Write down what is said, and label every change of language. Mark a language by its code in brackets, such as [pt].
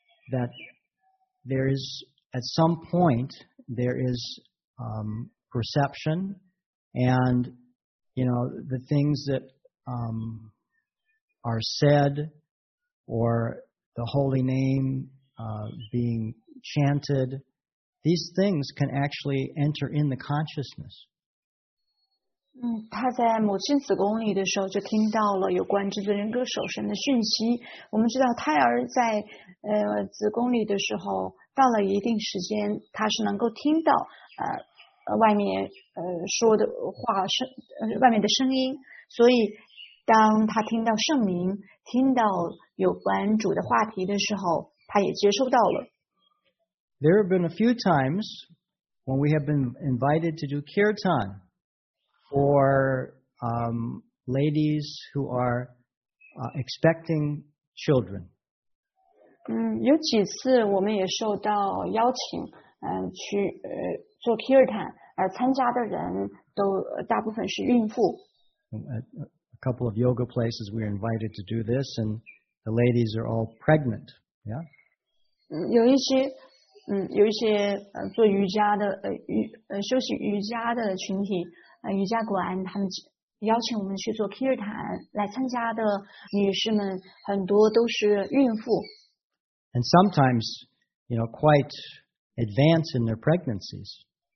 [en] that there is, at some point, there is perception and, you know, the things that are said or the holy name being chanted, these things can actually enter in the consciousness. [zh] 他在母亲子宫里的时候就听到了有关至尊人格守神的讯息。我们知道胎儿在子宫里的时候到了一定时间他是能够听到外面说的话外面的声音。所以当他听到圣名，听到有关主的话题的时候，他也接受到了。 [en] There have been a few times when we have been invited to do kirtan for ladies who are expecting children. [zh] 有几次我们也受到邀请，去做 kirtan， 而参加的人都大部分是孕妇。 [en] A couple of yoga places we were invited to do this, and the ladies are all pregnant. Yeah. [zh] 有一些做瑜伽的休息瑜伽的群体瑜伽馆，他们邀请我们去做 kirtan， 来参加的女士们很多都是孕妇。 [en] And sometimes, you know, quite advanced in their pregnancies.